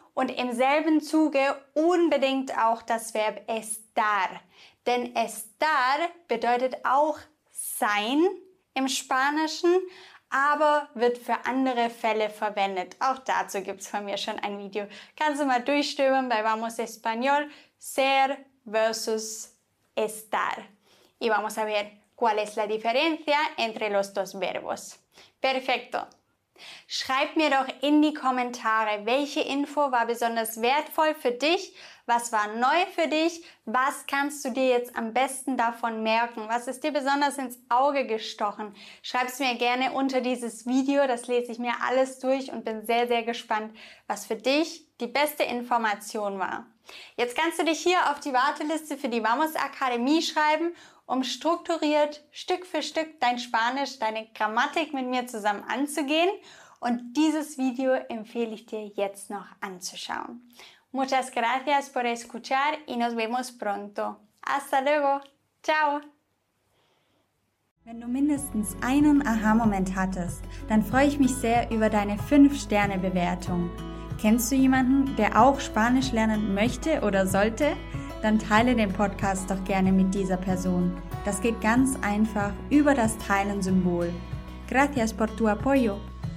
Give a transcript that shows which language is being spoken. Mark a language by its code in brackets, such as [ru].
[de] Und im selben Zuge unbedingt auch das Verb estar. Denn estar bedeutet auch sein im Spanischen, aber wird für andere Fälle verwendet. Auch dazu gibt es von mir schon ein Video. Kannst du mal durchstöbern bei Vamos Español. [es] Ser versus estar. Y vamos a ver cuál es la diferencia entre los dos verbos. Perfecto. [de] Schreib mir doch in die Kommentare, welche Info war besonders wertvoll für dich, was war neu für dich, was kannst du dir jetzt am besten davon merken, was ist dir besonders ins Auge gestochen. Schreib es mir gerne unter dieses Video, das lese ich mir alles durch und bin sehr, sehr gespannt, was für dich die beste Information war. Jetzt kannst du dich hier auf die Warteliste für die Vamos Akademie schreiben, um strukturiert Stück für Stück dein Spanisch, deine Grammatik mit mir zusammen anzugehen. Und dieses Video empfehle ich dir jetzt noch anzuschauen. [es] Muchas gracias por escuchar y nos vemos pronto. Hasta luego. Ciao. [de] Wenn du mindestens einen Aha-Moment hattest, dann freue ich mich sehr über deine 5-Sterne-Bewertung. Kennst du jemanden, der auch Spanisch lernen möchte oder sollte? Dann teile den Podcast doch gerne mit dieser Person. Das geht ganz einfach über das Teilen-Symbol. [es] Gracias por tu apoyo.